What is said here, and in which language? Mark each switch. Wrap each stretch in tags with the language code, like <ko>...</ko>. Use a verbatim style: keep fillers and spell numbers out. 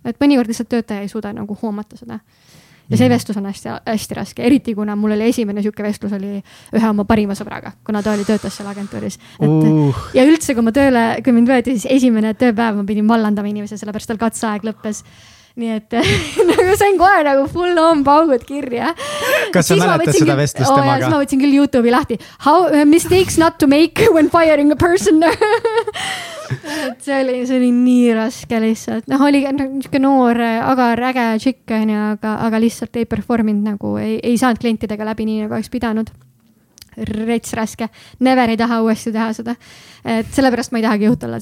<et>Et mõnikord lihtsalt töötaja ei suuda nagu hoomata seda. Ja see vestlus on hästi, hästi raske, eriti kuna mul oli esimene siuke vestlus oli ühe oma parima sõbraga, kuna ta oli töötas seal agentuuris. Et, uh. Ja üldse, kui ma tööle, kui mind võeti, siis esimene tööpäev ma pidin vallandama inimese, sellepärast tal katseaeg lõppes. Nii et nagu sain kohe nagu</et> <en>full on</en> <et>paugud kirja. Kas sa mäletad seda küll, vestlust oh, temaga? Siis ma võtsin küll YouTube'i lahti.</et> <en>How uh, mistakes not to make when firing a person.</en> <et>et see oli, see oli nii raske lihtsalt. Noh, oli niisugune noor, aga äge tšikk, aga, aga lihtsalt ei performinud nagu, ei, ei saanud klientidega läbi nii nagu oleks pidanud. Rets raske.</et> <en>Never</en> <et>ei taha uuesti teha seda. Et sellepärast ma ei tahagi juht olla.</et>